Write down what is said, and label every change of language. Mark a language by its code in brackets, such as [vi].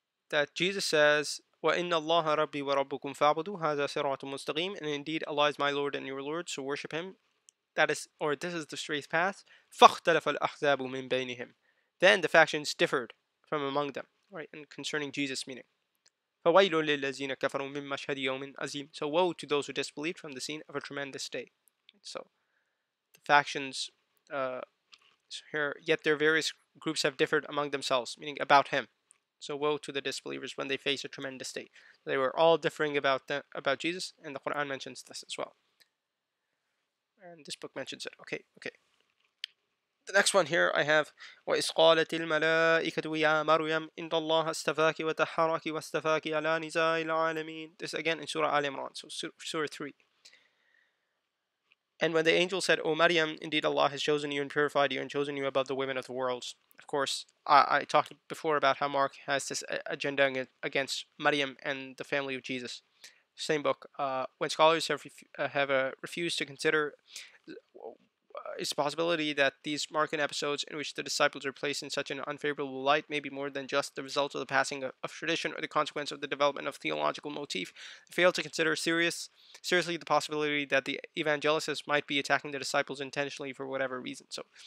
[en] That Jesus says, [ar] وَإِنَّ اللَّهَ رَبِّي وَرَبُّكُمْ فَعْبُدُوا هَذَا صِرَاطٌ مُسْتَقِيمٌ. [en] And indeed, Allah is my Lord and your Lord, so worship him. That is, or this is the straight path. [ar] فَاخْتَلَفَ الْأَحْزَابُ مِنْ بَيْنِهِمْ. [en] Then the factions differed from among them. Right, and concerning Jesus' meaning. [ar] فَوَيْلُ لِلَّذِينَ كَفَرُوا مِنْ مَشْهَدِ يَوْمٍ عَزِيمٍ. [en] So woe to those who disbelieved from the scene of a tremendous day. So, the factions, here, yet their various groups have differed among themselves, meaning about him. So woe to the disbelievers when they face a tremendous day. They were all differing about them, about Jesus, and the Quran mentions this as well. And this book mentions it. Okay, okay. The next one here I have, [ar] وَإِذْ قَالَتِ الْمَلَائِكَةُ يَا مَرْيَمُ إِنَّ اللَّهَ اصْطَفَاكِ وَطَهَّرَكِ وَاصْطَفَاكِ عَلَى نِسَاءِ الْعَالَمِينَ. [en] This again in Surah Ali Imran, so Surah 3. And when the angel said, O Maryam, indeed Allah has chosen you and purified you and chosen you above the women of the world. Of course, I talked before about how Mark has this agenda against Maryam and the family of Jesus. Same book. When scholars have refused to consider its possibility that these Markan episodes in which the disciples are placed in such an unfavorable light may be more than just the result of the passing of tradition or the consequence of the development of theological motif, they fail to consider seriously the possibility that the evangelists might be attacking the disciples intentionally for whatever reason. So